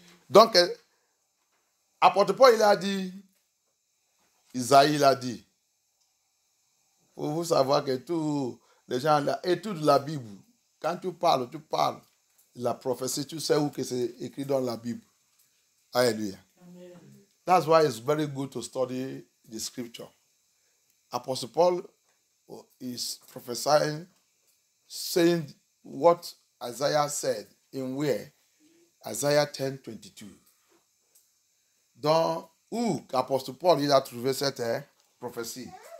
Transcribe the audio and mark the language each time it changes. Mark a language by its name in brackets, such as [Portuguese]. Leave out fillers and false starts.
[French] Donc, apporte pas, il a dit, Isaïe l'a dit, pour vous savoir que tous les gens, et toute la Bible, quand tu parles, la prophétie, tu sais où que c'est écrit dans la Bible. Alléluia. [English] That's why it's very good to study the scripture. Apostle Paul is prophesying, saying what Isaiah said in where? Isaiah 10:22. [French] Dans où qu'Apostle Paul il a trouvé cette prophétie?